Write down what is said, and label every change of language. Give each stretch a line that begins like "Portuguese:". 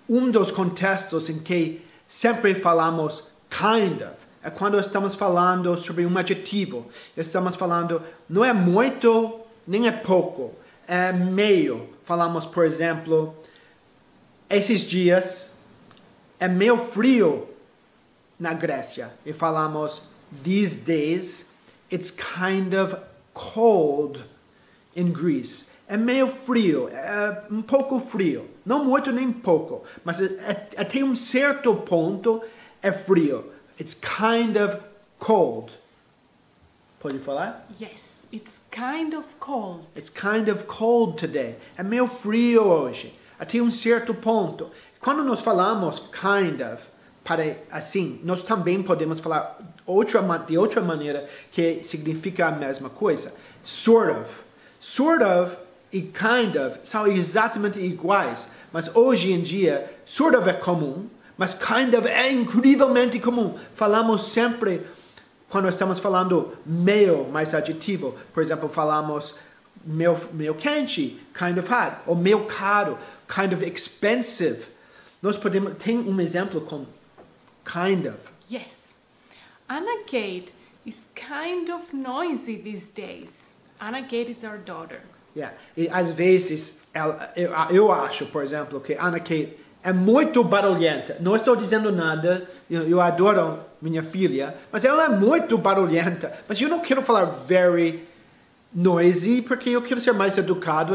Portuguese: Dos contextos em que sempre falamos kind of é quando estamos falando sobre adjetivo. Estamos falando, não é muito, nem é pouco, é meio. Falamos, por exemplo, esses dias é meio frio na Grécia. E falamos,
English: these days, it's kind of cold in Greece.
Portuguese: É meio frio, é um pouco frio. Não muito nem pouco, mas até certo ponto é frio.
English: It's kind of cold.
Portuguese: Pode falar?
English: Yes, it's kind of cold. It's kind of cold today.
Portuguese: É meio frio hoje, até certo ponto. Quando nós falamos kind of, para assim, nós também podemos falar de outra maneira que significa a mesma coisa. Sort of. Sort of e kind of são exatamente iguais. Mas hoje em dia, sort of é comum, mas kind of é incrivelmente comum. Falamos sempre, quando estamos falando meio mais adjetivo, por exemplo, falamos meio quente,
English: kind of hot,
Portuguese: ou meio caro,
English: kind of expensive.
Portuguese: Nós podemos, tem exemplo com kind of.
English: Yes. Anna Kate is kind of noisy these days. Anna Kate is our daughter. Yeah.
Portuguese: E às vezes, eu acho, por exemplo, que Anna Kate é muito barulhenta. Não estou dizendo nada. Eu adoro minha filha. Mas ela é muito barulhenta. Mas eu não quero falar
English: very noisy,
Portuguese: porque eu quero ser mais educado.